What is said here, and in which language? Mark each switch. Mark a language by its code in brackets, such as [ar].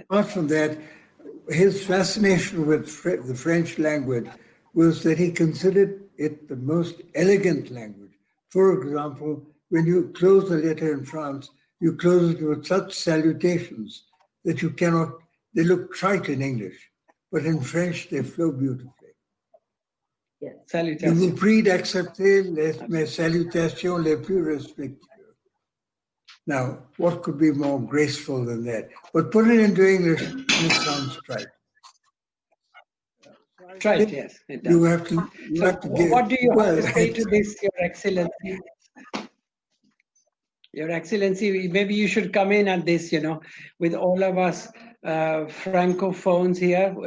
[en] Apart from that, his fascination with the French language was that he considered it the most elegant language. For example, when you close a letter in France, you close it with such salutations that you cannot, they look trite in English, but in French they flow beautifully. Yes. Salutations. [fr] Vous priez d'accepter les mes salutations les plus respectueuses. [en] Now, what could be more graceful than that? But put it into English, it sounds trite. Trite, yes. It does. You have to, What do you say to this, Your Excellency? Your Excellency, maybe you should come in at this, you know, with all of us Francophones here.